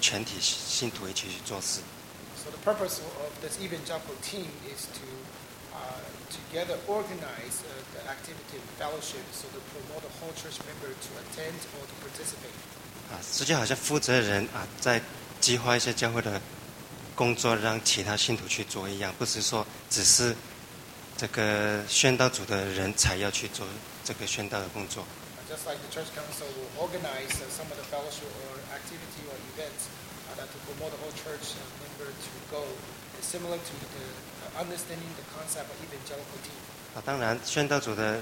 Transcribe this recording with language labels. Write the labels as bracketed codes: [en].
[zh] 是用来激发筹划活动，来去让全体信徒一起去做事。 [en] So the purpose of this evangelical team is to together organize the activity of fellowship, so to promote the whole church member to attend or to participate. [zh] 实际好像负责人在激发一些教会的工作，让其他信徒去做一样，不是说只是这个宣道组的人才要去做这个宣道的工作。 [en] Just like the church council will organize some of the fellowship or activity or events to promote the whole church member to go, is similar to the understanding the concept of evangelical team.